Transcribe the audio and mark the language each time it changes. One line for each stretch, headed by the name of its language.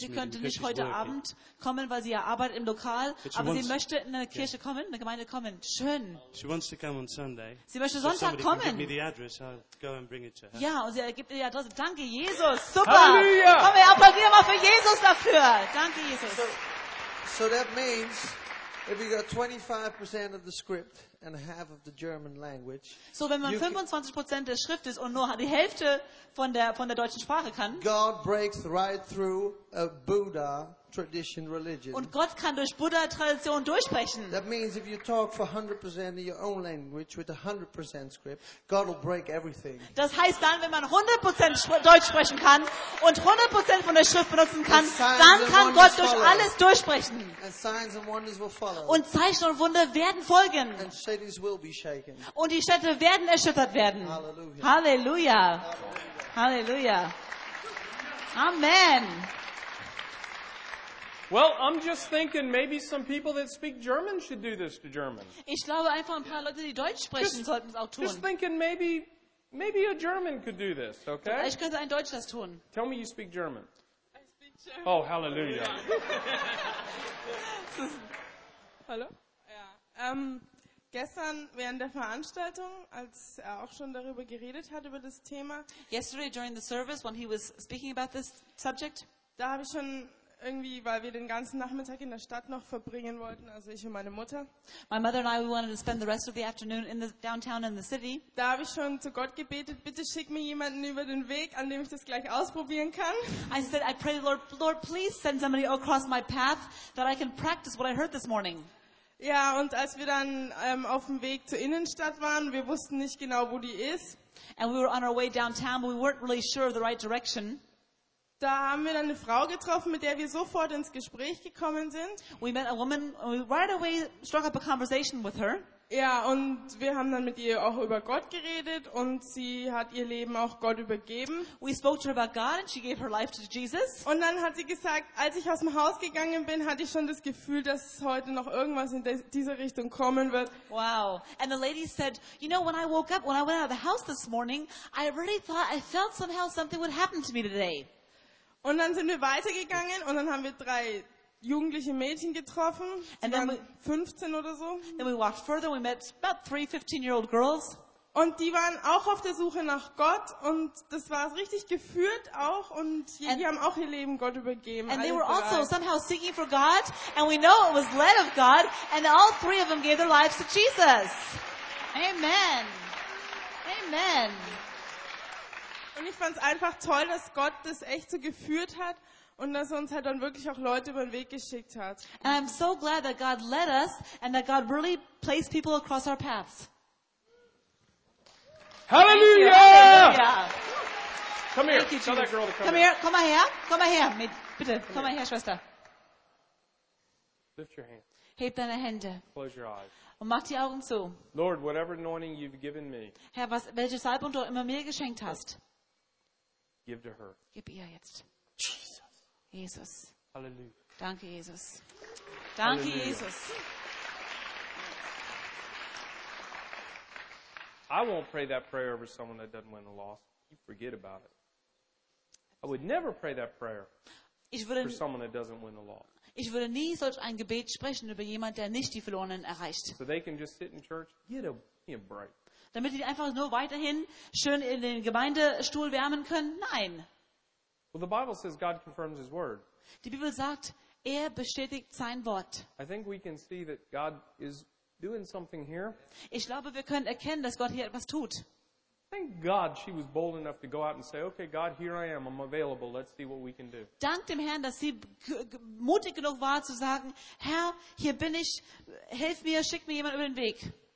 German: meeting. Sie konnte nicht heute Abend kommen, weil sie ja arbeitet im Lokal. Aber sie möchte in eine Kirche kommen, eine Gemeinde kommen. Schön.
English: She wants to come on Sunday.
German: Sie möchte Sonntag kommen.
English: Give me the address, I'll go and bring it to her.
German: Ja, und sie gibt ihr die Adresse. Danke, Jesus. Super. Komm, wir applaudieren mal für Jesus dafür. Danke, Jesus.
English: So that means if you got 25% of the script and half of the German language.
German: So wenn man 25% der Schrift ist und nur die Hälfte von der deutschen Sprache kann.
English: God breaks right through a Buddha tradition religion.
German: Und Gott kann durch Buddha Tradition durchbrechen.
English: That means if you talk for 100% in your own language with 100% script, God will break everything.
German: Das heißt dann, wenn man 100% Deutsch sprechen kann und 100% von der Schrift benutzen kann, dann kann Gott durch alles durchbrechen.
English: And signs and wonders will follow.
German: Und Zeichen und Wunder werden folgen.
English: And cities will be shaken.
German: Und die Städte werden erschüttert werden. Halleluja. Halleluja. Amen.
English: Well, I'm just thinking maybe some people that speak German should do this to Germans.
German: Ich glaube einfach ein paar Leute, die Deutsch sprechen, sollten es auch tun.
English: Just thinking maybe a German could do this, okay?
German: Ich könnte ein Deutsch das tun.
English: Tell me you speak German. I speak German. Oh, hallelujah.
German: Hallo? Ja. Gestern während der Veranstaltung, als er auch schon darüber geredet hat über das Thema.
English: Yesterday during the service when he was speaking about this subject,
German: da habe ich schon irgendwie, weil wir den ganzen Nachmittag in der Stadt noch verbringen wollten, also ich und meine Mutter.
English: My mother and I, we wanted to spend the rest of the afternoon in the downtown in the city.
German: Da habe ich schon zu Gott gebetet, bitte schick mir jemanden über den Weg, an dem ich das gleich ausprobieren kann.
English: I said, I pray, Lord, please send somebody across my path that I can practice what I heard this morning.
German: Ja, und als wir dann auf dem Weg zur Innenstadt waren, wir wussten nicht genau, wo die ist.
English: And we were on our way downtown, but we weren't really sure of the right direction.
German: Da haben wir dann eine Frau getroffen, mit der wir sofort ins Gespräch gekommen sind.
English: We met a woman and we right away struck up a conversation with her.
German: Ja, und wir haben dann mit ihr auch über Gott geredet und sie hat ihr Leben auch Gott übergeben.
English: We spoke to her about God and she gave her life to Jesus.
German: Und dann hat sie gesagt, als ich aus dem Haus gegangen bin, hatte ich schon das Gefühl, dass heute noch irgendwas in diese Richtung kommen wird.
English: Wow. And the lady said, you know, when I woke up, when I went out of the house this morning, I really thought, I felt somehow something would happen to me today.
German: Und dann sind wir weitergegangen und dann haben wir drei jugendliche Mädchen getroffen. Sie waren 15 oder so.
English: Then we walked further, we met about three 15-year-old girls.
German: Und die waren auch auf der Suche nach Gott und das war richtig geführt auch und die haben auch ihr Leben Gott übergeben.
English: And they were also somehow seeking for God and we know it was led of God and all three of them gave their lives to Jesus. Amen. Amen.
German: Und ich fand es einfach toll, dass Gott das echt so geführt hat und dass er uns halt dann wirklich auch Leute über den Weg geschickt hat.
English: And I'm so glad that God led us and that God really placed people across our paths. Hallelujah! Hallelujah. Come here, tell that girl to come here. Come here,
German: komm mal her, bitte, komm mal her, Schwester.
English: Lift your hand.
German: Heb deine Hände.
English: Close your eyes.
German: Und mach die Augen zu.
English: Lord, whatever anointing you've given me.
German: Herr, was, welche Salbung du immer mir geschenkt hast.
English: Give to her.
German: Gib ihr jetzt.
English: Jesus.
German: Jesus.
English: Hallelujah.
German: Danke, Jesus. Danke, Halleluja. Jesus.
English: I won't pray that prayer over someone that doesn't win the loss. You forget about it. I would never pray that prayer for someone that doesn't win the loss.
German: Ich würde nie solch ein Gebet sprechen über jemanden, der nicht die Verlorenen erreicht.
English: So they can just sit in church, get a break.
German: Damit die einfach nur weiterhin schön in den Gemeindestuhl wärmen können? Nein.
English: Well, the Bible says God confirms His word.
German: Die Bibel sagt, er bestätigt sein Wort.
English: I think we can see that God is doing something here.
German: Ich glaube, wir können erkennen, dass Gott hier etwas tut.
English: Thank God she was bold enough to go out and say, okay, God, here I am, I'm available, let's see what we can do.
German: Dank dem Herrn, dass sie mutig genug war zu sagen, Herr, hier bin ich, hilf mir, schick mir jemand über den Weg.